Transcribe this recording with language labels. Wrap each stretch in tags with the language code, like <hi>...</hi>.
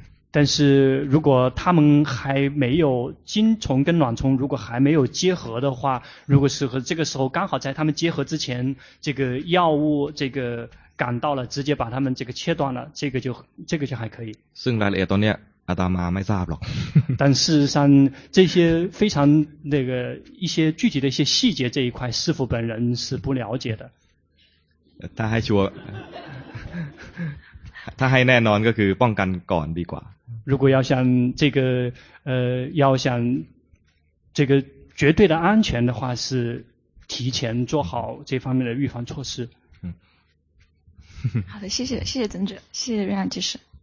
<zh>但是如果他们还没有精虫跟卵虫如果还没有结合的话如果是和这个时候刚好在他们结合之前这个药物这个赶到了直接把他们这个切断了这个就还可以</zh> <th>ซึ่งรายละเอียดตรงนี้อาตมาไม่ทราบหรอก</th> <zh>但事实上这些非常那个一些具体的一些细节这一块师父本人是不了解的</zh> <th>ถ้าให้ชัวร์ถ้าให้แน่นอนก็คือป้องกันก่อนดีกว่า</th> <zh>如果要想这个要想这个绝对的安全的话是提前做好这方面的预防措施好的谢谢谢谢曾者谢谢瑞安居士</zh>